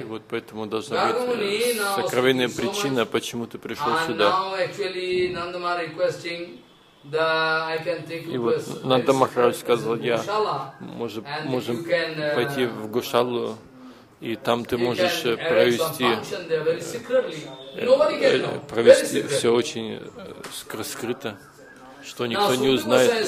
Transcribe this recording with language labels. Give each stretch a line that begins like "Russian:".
Russian: И вот поэтому должна быть сокровенная причина, почему ты пришел сюда.
English: And now actually Nandama requesting I can take
Russian: и вот Нанда Махарадж сказал, я можем пойти в Гошалу. И там ты можешь провести, провести все очень скрыто, что никто не узнает.